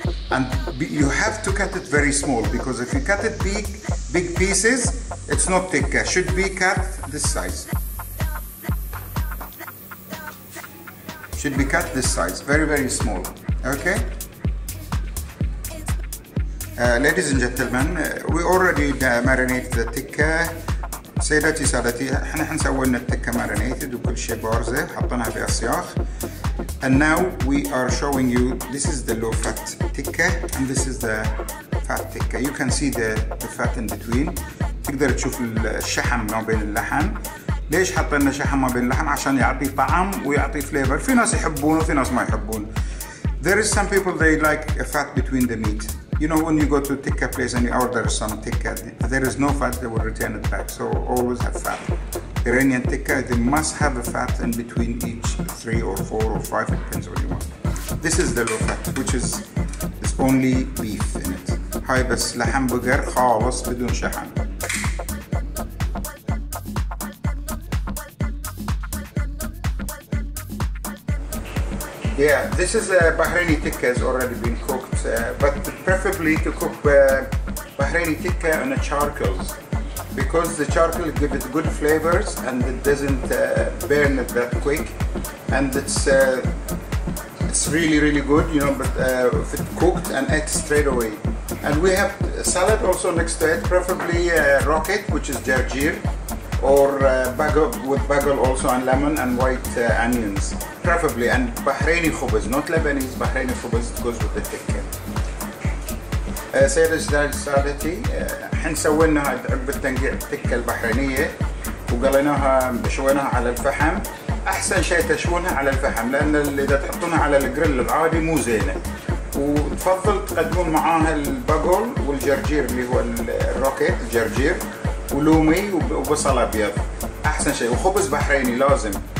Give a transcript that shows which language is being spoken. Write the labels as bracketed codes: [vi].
[en] And you have to cut it very small because if you cut it big pieces, it's not tikka, should be cut this size. Should be cut this size, very, very small, okay? Ladies and gentlemen, we already marinated the tikka. [ar] سيداتي سادتي احنا حنسوينا التكة مارينيتد وكل شيء بارزة حطناها في اصياخ. [en] And now we are showing you this is the low fat tikka and this is the fat tikka. You can see the fat in between. [ar] تقدر تشوف الشحم ما بين اللحم. ليش حطينا شحم ما بين اللحم؟ عشان يعطي طعم ويعطي فليفر. في ناس يحبون وفي ناس ما يحبون. [en] There is some people they like a fat between the meat. You know when you go to tikka place and you order some tikka If there is no fat, they will retain it back. So always have fat. Iranian tikka, they must have a fat in between each 3 or 4 or 5, it depends what you want. This is the low fat, which is it's only beef in it. [ar] هاي بس لحم بقر خالص بدون شحم. [en] Yeah, this is a Bahraini tikka has already been cooked, but preferably to cook Bahraini tikka on a charcoal, because the charcoal gives it good flavors and it doesn't burn it that quick, and it's really really good, you know. But if it cooked and ate straight away, and we have salad also next to it, preferably rocket, which is jargir, or bagel with bagel also, and lemon and white onions preferably, and Bahraini khubz, not Lebanese, Bahraini khubz goes with the tikka. [ar] سيد اجداد سادتي احنا سوينا عقب التنقيع التكه البحرينيه وقليناها شويناها على الفحم. احسن شيء تشونها على الفحم لان اذا تحطونها على الجريل العادي مو زينه. وتفضل تقدمون معاها البقول والجرجير اللي هو الروكيت الجرجير ولومي وبصل ابيض احسن شيء، وخبز بحريني لازم.